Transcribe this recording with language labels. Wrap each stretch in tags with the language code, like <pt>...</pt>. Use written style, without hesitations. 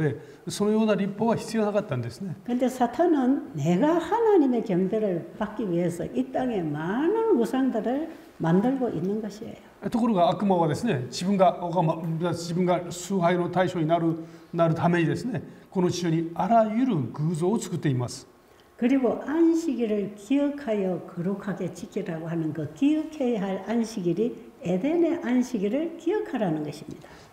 <ja>まあ創造主たる神様を礼拝し拝むあまりにも当然のものなので、そのような律法は必要なかったんですね。</ja> <ko>근데 사탄은 내가 하나님의 경배를 받기 위해서 이 땅에 많은 우상들을 만들고 있는 것이에요.</ko> <ja>ところが悪魔はですね、自分が崇拝の対象になるためにですね、この地上にあらゆる偶像を作っています。</ja> <ko>그리고 안식일을 기억하여 거룩하게 지키라고 하는 그 기억해야 할 안식일이 에덴의 안식일을 기억하라는 것입니다.</ko>